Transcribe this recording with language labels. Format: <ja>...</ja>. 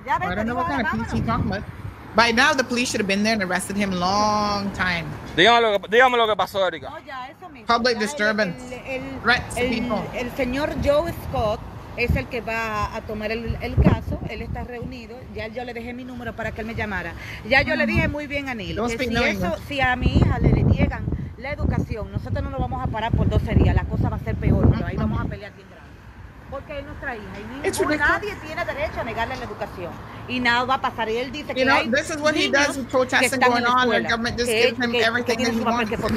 <en>I don't know what kind of peace he's talking about. By now, the police should have been there and arrested him a long time.</en> <es>Dígame lo que pasó, Erika.</es> <en>Public disturbance. Threats to people.</en> <es>El señor Joe Scott es el que va a tomar el caso. Él está reunido. Ya yo le dejé mi número para que él me llamara. Ya yo le dije muy bien a Neil. Si a mi hija le niegan la educación, nosotros no nos vamos a parar por 12 días. La cosa va a ser peor. Pero ahí vamos a pelear aquí. Porque es nuestra hija. Nadie tiene derecho a negarle la educación. Y nada va a pasar. Y él dice que</es> <en>this is what he does with protesting going on. The government just gives him everything that he wants.</en>